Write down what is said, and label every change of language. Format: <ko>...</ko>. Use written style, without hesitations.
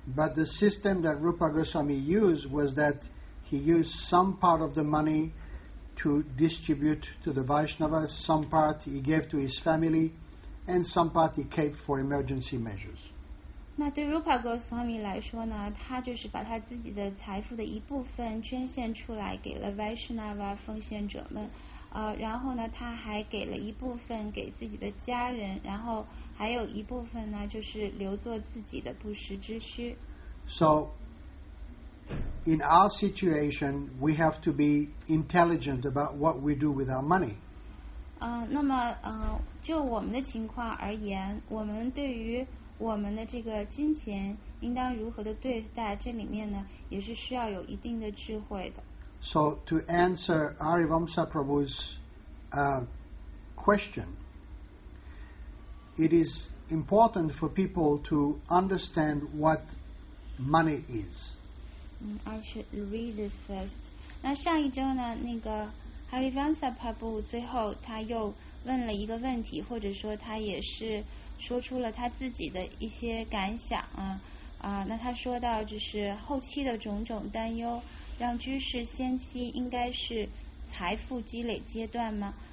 <en>But the system that Rupa Goswami used was that he used some part of the money to distribute to the Vaishnavas, some part he gave to his family. And some part he kept for emergency measures.</en> <zh>那对 Rupa Goswami 来说呢，他就是把他自己的财富的一部分捐献出来给了 Vaishnava 奉献者们，然后呢，他还给了一部分给自己的家人，然后还有一部分呢，就是留作自己的不时之需。</zh> <en>So, in our situation, we have to be intelligent about what we do with our money.</en> <zh>那么就我们的情况而言，我们对于我们的这个金钱应当如何的对待，这里面呢，也是需要有一定的智慧的。</zh> <en>So to answer Arivamsa Prabhu's question, it is important for people to understand what money is. I should read this first.</en> <zh>那上一周呢，那个 Arivamsa Prabhu 最后他又问了一个问题，或者说他也是说出了他自己的一些感想啊。那他说到就是后期的种种担忧，让居士先期应该是财富积累阶段吗？</zh>